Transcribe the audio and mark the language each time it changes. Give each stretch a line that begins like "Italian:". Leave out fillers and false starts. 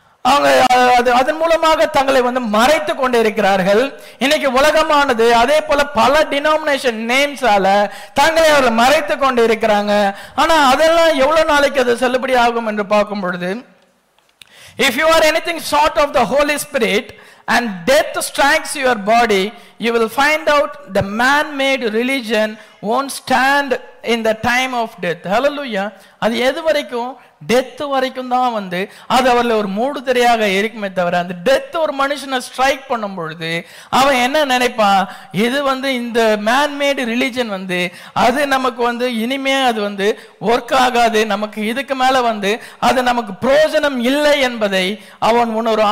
Tamil: அவங்க அதன் மூலமாக தங்களை வந்து மறைத்து கொண்டு இருக்கிறார்கள். இன்னைக்கு உலகமானது அதே போல பல டினாமினேஷன் நேம்ஸால தங்களை அவர்கள் மறைத்து கொண்டு இருக்கிறாங்க. ஆனா அதெல்லாம் எவ்வளவு நாளைக்கு அது செல்லுபடி ஆகும் என்று பார்க்கும் பொழுது,
English: If you are anything short of the Holy Spirit and death strikes your body, you will find out the man-made religion won't stand in the time of death.
Tamil: Hallelujah. அது எது வரைக்கும்? டெத் வரைக்கும் தான் வந்து அது அவர்ல ஒரு மூடுதிரையாக இருக்குமே தவிர, அந்த டெத் ஒரு மனுஷனை ஸ்ட்ரைக் பண்ணும் பொழுது அவன் என்ன நினைப்பான்? இது வந்து இந்த மேன்மேடு ரிலிஜன் வந்து அது நமக்கு வந்து இனிமே அது வந்து ஒர்க் ஆகாது, நமக்கு இதுக்கு மேல வந்து அது நமக்கு பிரயோஜனம் இல்லை என்பதை அவன் உணரும்.